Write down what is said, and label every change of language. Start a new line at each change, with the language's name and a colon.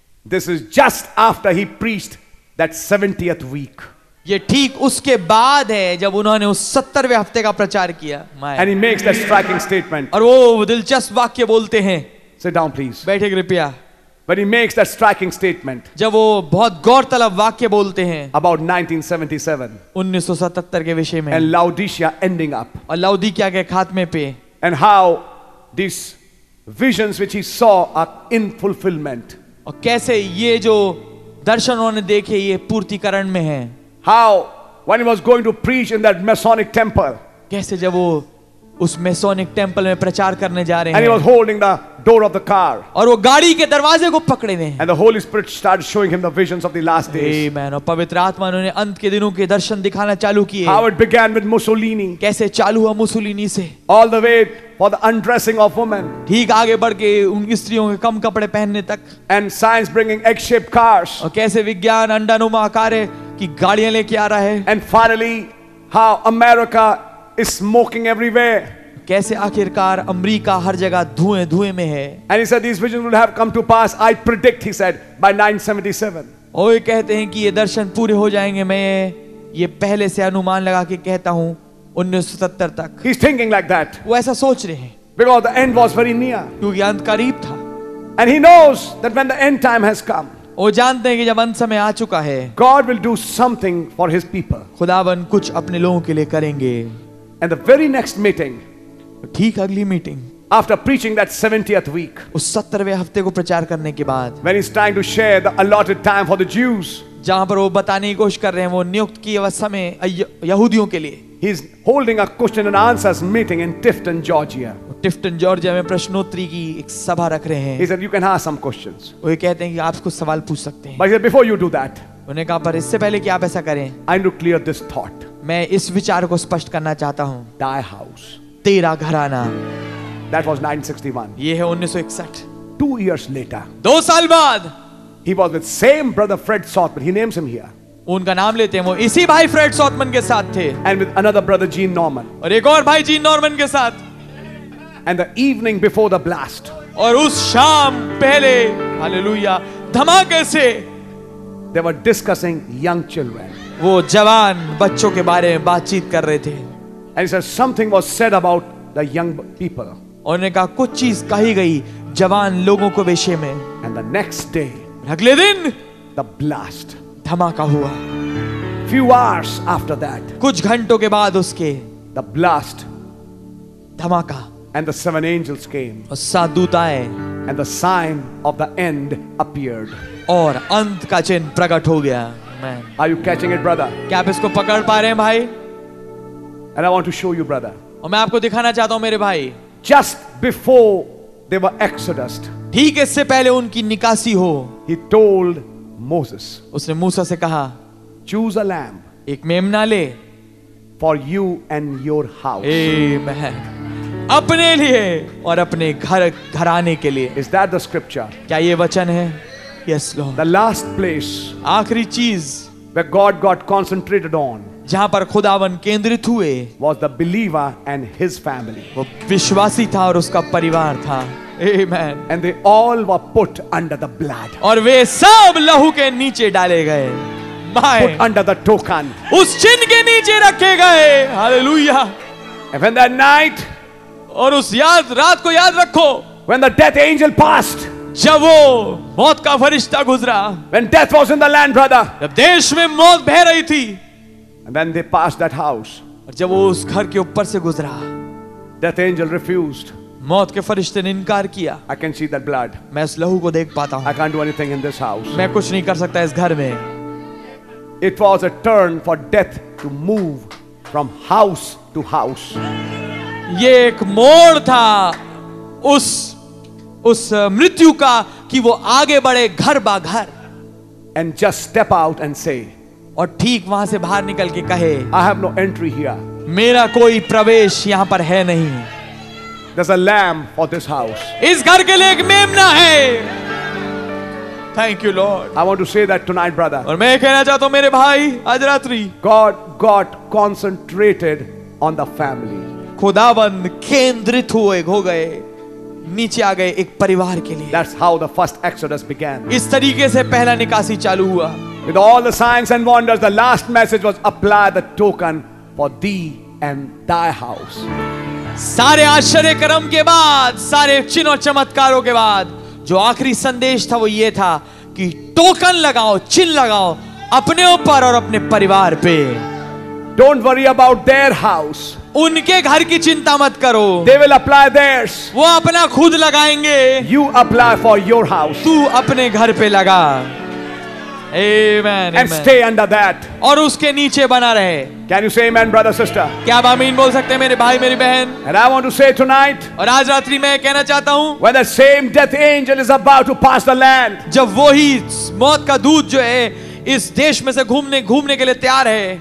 English: This is just after he preached that 70th week.
Hindi: ये ठीक उसके बाद है जब उन्होंने उस 70वें हफ्ते का प्रचार किया.
English: And he makes that striking statement.
Hindi: और वो दिलचस्प वाक्य बोलते हैं.
English: Sit down, please.
Hindi: बैठे कृपया.
English: But he makes that striking statement.
Hindi: जब वो बहुत गौरतलब वाक्य बोलते हैं.
English: About 1977.
Hindi: 1977 के विषय में.
English: And Laodicea ending up.
Hindi: और लौदीकिया के खात्मे पे.
English: And how these visions which he saw are in fulfillment.
Hindi: और कैसे ये जो दर्शन उन्होंने देखे ये पूर्तिकरण में हैं.
English: How when he was going to preach in that Masonic temple.
Hindi: कैसे जब वो उस मैसोनिक टेंपल में प्रचार करने जा रहे हैं.
English: And he was holding the door of the car.
Hindi: और वो गाड़ी के दरवाजे को पकड़े हुए हैं.
English: And the Holy Spirit started showing him the visions of the last days. Amen.
Hindi: और पवित्र आत्मा ने अंत के दिनों के दर्शन दिखाना चालू किए.
English: How it began with Mussolini.
Hindi: कैसे चालू हुआ मुसोलिनी से.
English: All the way for the undressing of women.
Hindi: ठीक आगे बढ़ के उन स्त्रियों के कम कपड़े पहनने तक.
English: And science bringing egg-shaped cars.
Hindi: और कैसे विज्ञान अंडानुमा आकार की गाड़ियां लेके आ रहा है.
English: And finally, how America is smoking everywhere.
Hindi: कैसे आखिरकार अमेरिका हर जगह धुएं धुएं में है.
English: And he said these visions would have come to pass. I predict, he said, by 1977.
Hindi: और ये कहते हैं कि ये दर्शन पूरे हो जाएंगे. मैं ये पहले से अनुमान लगा के कहता हूँ 1970 तक.
English: He's thinking like that.
Hindi: वो ऐसा सोच रहे हैं.
English: Because the end was very near.
Hindi: क्योंकि अंत करीब था.
English: And he knows that when the end time has come.
Hindi: वो जानते हैं कि जब अंत समय आ चुका है.
English: God will do something for His people.
Hindi: खुदावन कुछ अपने लोगों के लिए करेंगे.
English: And the very next meeting,
Hindi: ठीक अगली meeting,
English: after preaching that 70th week,
Hindi: उस 70वें हफ्ते को प्रचार करने के बाद,
English: when he's trying to share the allotted time for the Jews,
Hindi: जहाँ पर वो बताने की कोशिश कर रहे हैं, वो नियुक्त किए हुए समय यहूदियों के लिए,
English: he's holding a question and answers meeting in Tifton, Georgia.
Hindi: Tifton, Georgia में प्रश्नोत्तरी की एक सभा रख रहे हैं.
English: He said, you can ask some questions.
Hindi: वो ये कहते हैं कि आप कुछ सवाल पूछ सकते हैं.
English: But he said, before you do that,
Hindi: उन्हें कहा पर इससे पहले कि आप ऐसा करें,
English: I need to clear this thought.
Hindi: मैं इस विचार को स्पष्ट करना चाहता हूं.
English: Thy house.
Hindi: तेरा घराना.
English: That was 1961.
Hindi: ये है 1961.
English: 2 years later.
Hindi: दो साल बाद.
English: He was with same brother Fred Sautman. He names him here.
Hindi: उनका नाम लेते हैं. वो इसी भाई फ्रेड सॉटमन के साथ थे.
English: And with another brother Gene Norman.
Hindi: और एक और भाई जीन नॉर्मन के साथ.
English: And the evening before the blast.
Hindi: और उस शाम पहले. हालेलुया. धमाके से.
English: They were discussing young children.
Hindi: वो जवान बच्चों के बारे में बातचीत कर रहे थे.
English: And he said something was said about the young people.
Hindi: उन्होंने कहा कुछ चीज कही गई जवान लोगों को विषय में.
English: And the next day,
Hindi: अगले दिन,
English: the blast,
Hindi: धमाका हुआ.
English: Few hours after that,
Hindi: कुछ घंटों के बाद उसके,
English: the blast,
Hindi: धमाका.
English: And the seven angels came.
Hindi: और सात दूत आए.
English: And the sign of the end appeared.
Hindi: और अंत का चिन्ह प्रकट हो गया.
English: Man. Are you catching it, brother?
Hindi: क्या आप इसको पकड़ पा रहे हैं भाई?
English: And I want to show you, brother.
Hindi: और मैं आपको दिखाना चाहता हूँ मेरे भाई.
English: Just before they were exodus.
Hindi: ठीक इससे पहले उनकी निकासी हो.
English: He told Moses.
Hindi: उसने मूसा से कहा,
English: Choose a lamb.
Hindi: एक मेमना ले.
English: For you and your house. Amen.
Hindi: अपने लिए और अपने घर घराने के लिए.
English: Is that the scripture?
Hindi: क्या ये वचन है?
English: Yes, Lord. The last place.
Hindi: आखरी चीज.
English: Where God got concentrated on.
Hindi: जहाँ पर खुदावन केंद्रित हुए.
English: Was the believer and his family.
Hindi: वो विश्वासी था और उसका परिवार था.
English: Amen. And they all were put under the blood.
Hindi: और वे सब लहू के नीचे डाले गए.
English: My. Put under the token.
Hindi: उस चिन्ह के नीचे रखे गए.
English: Hallelujah. And when that night.
Hindi: और उस याद रात को याद रखो.
English: When the death angel passed.
Hindi: जब वो मौत का फरिश्ता गुजरा.
English: When death was in the land, brother.
Hindi: जब देश में मौत बह रही थी.
English: And then they passed that house.
Hindi: और जब वो उस घर के ऊपर से गुजरा.
English: Death angel refused.
Hindi: मौत के फरिश्ते ने इनकार किया.
English: I can see that blood.
Hindi: मैं इस लहू को देख पाता हूं.
English: I can't do anything in this house.
Hindi: मैं कुछ नहीं कर सकता इस घर में.
English: It was a turn for death to move from house to house.
Hindi: ये एक मोड़ था उस मृत्यु का कि वो आगे बढ़े घर बा घर.
English: And just step out and say.
Hindi: और ठीक वहां से बाहर निकल के कहे.
English: I have no entry here.
Hindi: मेरा कोई प्रवेश यहां पर है नहीं.
English: There's a lamb for this house.
Hindi: इस घर के लिए एक मेमना है.
English: Thank you, Lord. I want to say that tonight, brother.
Hindi: और मैं कहना चाहता हूँ मेरे भाई, आज रात्रि.
English: God got concentrated on the family.
Hindi: खुदावंद केंद्रित हुए हो गए, नीचे आ गए एक परिवार के लिए.
English: That's how the first Exodus began.
Hindi: इस तरीके से पहला निकासी चालू हुआ.
English: With all the signs and wonders, the last message was apply the token for thee and thy house.
Hindi: सारे आश्चर्य कर्म के बाद, सारे चिन्ह और चमत्कारों के बाद, जो आखिरी संदेश था वो ये था कि टोकन लगाओ, चिन्ह लगाओ अपने ऊपर और अपने परिवार पे.
English: Don't worry about their house.
Hindi: उनके घर की चिंता मत करो.
English: They will apply theirs.
Hindi: वो अपना खुद लगाएंगे.
English: You apply for your house.
Hindi: तू अपने घर पे लगा.
English: Amen. And stay under that.
Hindi: और उसके नीचे बना रहे.
English: Can you say amen, brother, sister?
Hindi: क्या आप आमीन बोल सकते हैं मेरे भाई, मेरी बहन?
English: And I want to say tonight.
Hindi: और आज रात्रि मैं कहना चाहता हूँ.
English: When the same death angel is about to pass the land.
Hindi: जब वो ही मौत का दूत जो है इस देश में से घूमने के लिए तैयार है.